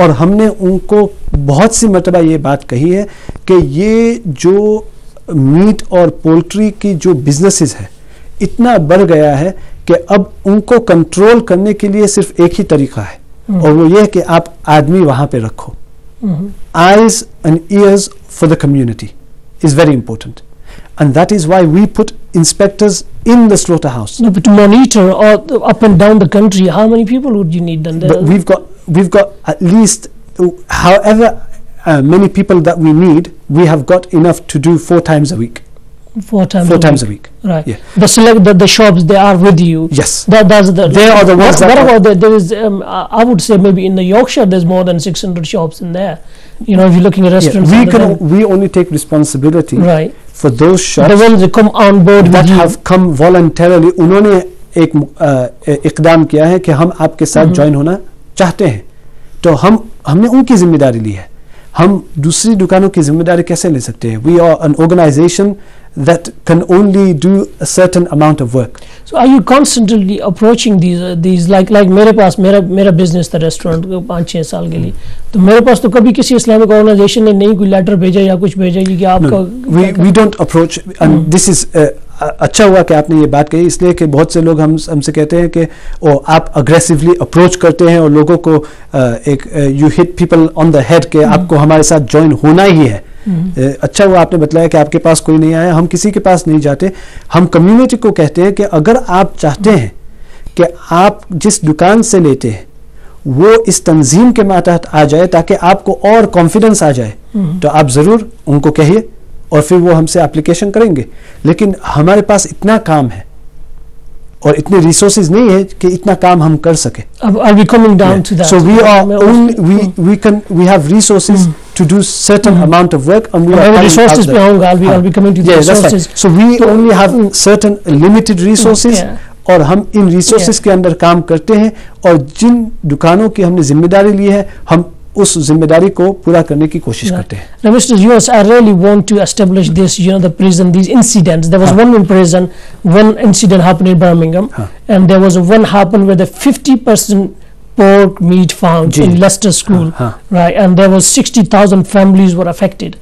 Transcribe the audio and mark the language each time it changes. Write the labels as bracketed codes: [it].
[hi] और हमने उनको बहुत सी मरतबा ये बात कही है कि ये जो मीट और पोल्ट्री की जो बिजनेसेस है इतना बढ़ गया है कि अब उनको कंट्रोल करने के लिए सिर्फ एक ही तरीका है. mm-hmm. और वो ये है कि आप आदमी वहां पे रखो. mm-hmm. [en] Eyes and ears for the community is very important and that is why we put inspectors in the slaughter house to monitor up and down the country. How many people would you need them? We have got at least however many people that we need, we have got enough to do four times a week. Right. Yeah. The select the shops, they are with you. Yes. I would say maybe in the Yorkshire there's more than 600 shops in there. You know, if you're looking at restaurants. Yeah. We only take responsibility. Right. For those shops. The ones that come on board that with you. Have come voluntarily. [hi] उन्होंने एक इकदाम किया है कि हम आपके साथ join होना चाहते हैं. तो हमने उनकी जिम्मेदारी ली है. हम दूसरी दुकानों की जिम्मेदारी कैसे ले सकते हैं? [en] We are an organization that can only do a certain amount of work. So are you constantly approaching these like [hi] मेरे पास मेरा business था restaurant 5-6 साल के लिए. तो मेरे पास तो कभी किसी इस्लामिक organization ने नहीं कोई letter भेजा या कुछ भेजा कि आपका. [en] We don't approach and this is [hi] अच्छा हुआ कि आपने ये बात कही, इसलिए कि बहुत से लोग हमसे कहते हैं कि ओ आप अग्रेसिवली अप्रोच करते हैं और लोगों को एक [en] you hit people on the head [hi] के आपको हमारे साथ ज्वाइन होना ही है. अच्छा हुआ आपने बताया कि आपके पास कोई नहीं आया. हम किसी के पास नहीं जाते. हम कम्युनिटी को कहते हैं कि अगर आप चाहते हैं कि आप जिस दुकान से लेते हैं वो इस तंजीम के मातहत आ जाए ताकि आपको और कॉन्फिडेंस आ जाए तो आप ज़रूर उनको कहिए और फिर वो हमसे एप्लीकेशन करेंगे. लेकिन हमारे पास इतना काम है और इतने रिसोर्सेज नहीं है कि इतना काम हम कर सके. [en] Are we coming down to that? So we are only we have resources to do certain amount of work and we are resources [hi] pe honga. [en] I'll be coming to the resources. So we only have certain limited resources [hi] और हम इन resources के अंदर काम करते हैं और जिन दुकानों की हमने जिम्मेदारी ली है हम उस जिम्मेदारी को पूरा करने की कोशिश करते हैं. [en] Now, Mr. Yunus, I really want to establish this, you know, the prison, these incidents. There was one in prison, one incident happened in Birmingham, and there was one happened where the 50% pork meat found in Leicester School, right? And there was 60,000 families were affected.